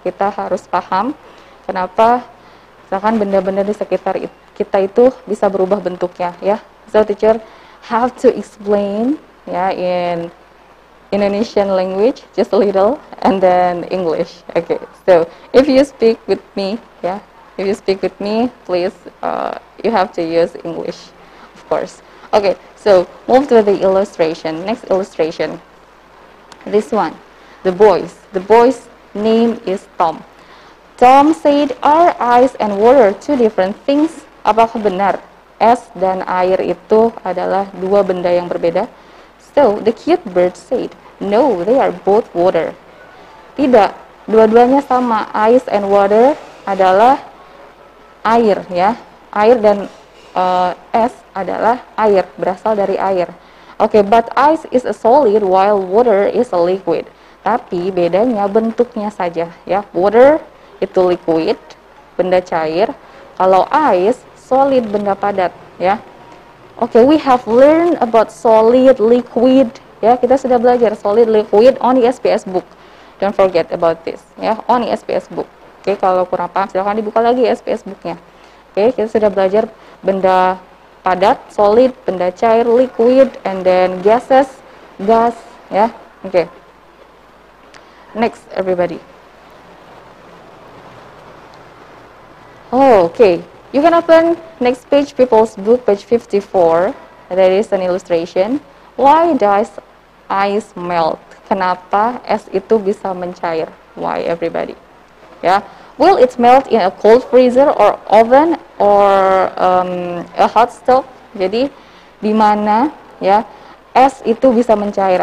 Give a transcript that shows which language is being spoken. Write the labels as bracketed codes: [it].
[id] Kita harus paham kenapa misalkan benda-benda di sekitar kita itu bisa berubah bentuknya. [en] Yeah, so teacher have to explain, yeah, in Indonesian language just a little, and then English. Okay, so if you speak with me, yeah, if you speak with me, please, you have to use English, of course. Okay, so move to the illustration. Next illustration. This one, the boys. The boy's name is Tom. Tom said, "Are ice and water two different things?" [id] Apakah benar es dan air itu adalah dua benda yang berbeda? [en] So, the cute bird said, no, they are both water. [id] Tidak, dua-duanya sama. [en] Ice and water [id] adalah air, ya. Air dan es adalah air, berasal dari air. [en] Okay, but ice is a solid while water is a liquid. [id] Tapi bedanya bentuknya saja, ya. Water itu liquid, benda cair. Kalau ice, solid, benda padat, ya. [en] Okay, we have learned about solid, liquid. [id] Ya, kita sudah belajar [en] solid, liquid on SPS book. Don't forget about this. [id] Ya, on SPS book. Okay, kalau kurang paham, silakan dibuka lagi SPS booknya. Okay, kita sudah belajar benda padat, solid, benda cair, liquid, and then gases, gas. [en] Ya, okay. Next, everybody. Oh, okay. You can open next page, people's book, page 54. There is an illustration. Why does ice melt? [id] Kenapa es itu bisa mencair? [en] Why, everybody? Yeah. Will it melt in a cold freezer or oven or a hot stove? [id] Jadi, di mana ya es itu bisa mencair?